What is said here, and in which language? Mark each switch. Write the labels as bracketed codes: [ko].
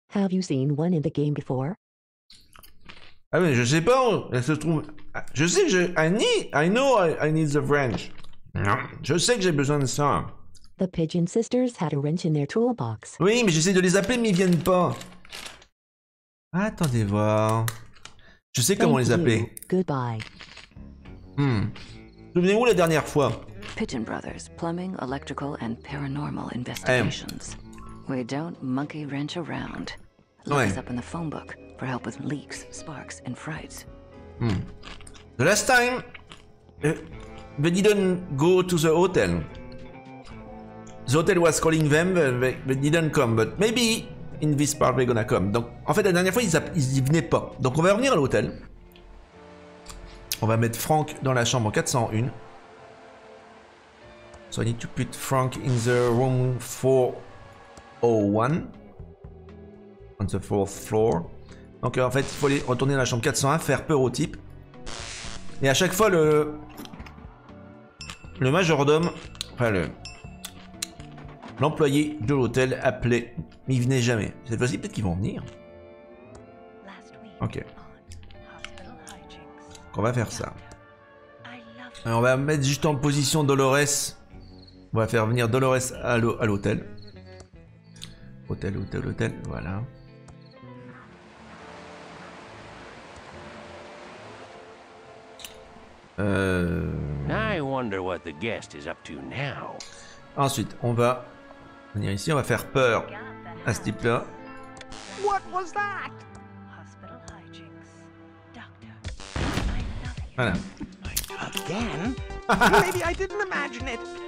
[en] Have you seen one in the game before? [fr] Ah mais je sais pas où elle se trouve. Je sais que [en] I need the wrench. [fr] Je sais que j'ai besoin de ça. [en] The Pigeon Sisters had a wrench in their toolbox. [fr] Oui, mais j'essaie de les appeler mais ils viennent pas. Attendez voir. Je sais comment [en] Thank [fr] les appeler. [en] You. Goodbye. [fr] Souvenez-vous la dernière fois. [en] Pigeon Brothers, Plumbing, Electrical and Paranormal Investigations. We don't monkey wrench around. Look [fr] ouais. [en] us up in the phone book for help with leaks, sparks and frights. The last time, we didn't go to the hotel. The hotel was calling them, but didn't come, but maybe in this part we're gonna come. [fr] Donc, en fait, la dernière fois, ils y venaient pas. Donc, on va revenir à l'hôtel. On va mettre Frank dans la chambre 401. So I need to put Frank in the room 401. On the fourth floor. Donc, en fait, il faut aller retourner dans la chambre 401, faire peur au type. Et à chaque fois, le majordome, enfin le... L'employé de l'hôtel appelait, mais il venait jamais. Cette fois-ci, peut-être qu'ils vont venir. Ok. Donc on va faire ça. Et on va mettre juste en position Dolores. On va faire venir Dolores à l'hôtel. Hôtel, voilà. [en] I wonder what the guest is up to now. [fr] Ensuite, on va... Venir ici, on va faire peur à ce type-là. [en] What was that? [fr] Voilà. [en] Again? Maybe I didn't imagine it.